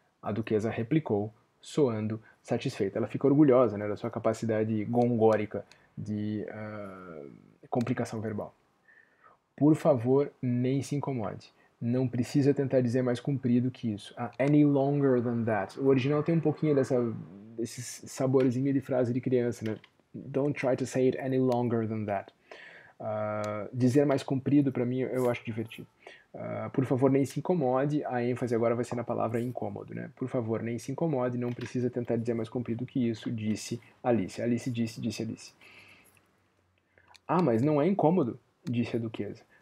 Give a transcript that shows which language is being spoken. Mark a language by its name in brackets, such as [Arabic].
[Portuguese] A duquesa replicou, soando satisfeita. Ela fica orgulhosa, né, da sua capacidade gongórica de complicação verbal. Por favor, nem se incomode. Não precisa tentar dizer mais comprido que isso. [English] Any longer than that. [Portuguese] O original tem um pouquinho desse saborzinho de frase de criança, né? [English] Don't try to say it any longer than that. [Portuguese] Dizer mais comprido, para mim, eu acho divertido. Por favor, nem se incomode. A ênfase agora vai ser na palavra incômodo, né? Por favor, nem se incomode. Não precisa tentar dizer mais comprido que isso, disse Alice. Alice disse, disse Alice. Ah, mas não é incômodo, disse a duquesa.